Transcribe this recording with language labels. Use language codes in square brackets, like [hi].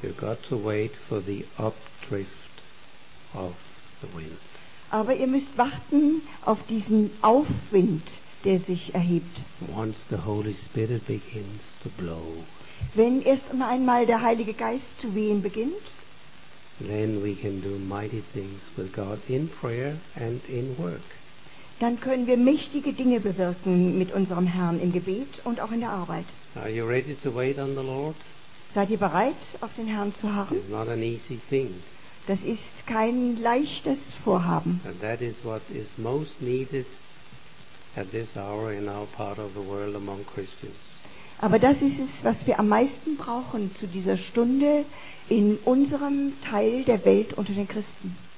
[en] You've got to wait for the updrift of the wind. [de] Aber ihr müsst warten auf diesen Aufwind, der sich erhebt. [en] Once the Holy Spirit begins to blow, [de] wenn erst einmal der Heilige Geist zu wehen beginnt, [en] then we can do mighty things with God in prayer and in work. [de] Dann können wir mächtige Dinge bewirken mit unserem Herrn im Gebet und auch in der Arbeit. [en] Are you ready to wait on the Lord? [de] Seid ihr bereit, auf den Herrn zu harren? [en] It's not an easy thing. [de] Das ist kein leichtes Vorhaben. [en] And that is what is most needed at this hour in our part of the world among Christians. [de] Aber das ist es, was wir am meisten brauchen zu dieser Stunde in unserem Teil der Welt unter den Christen.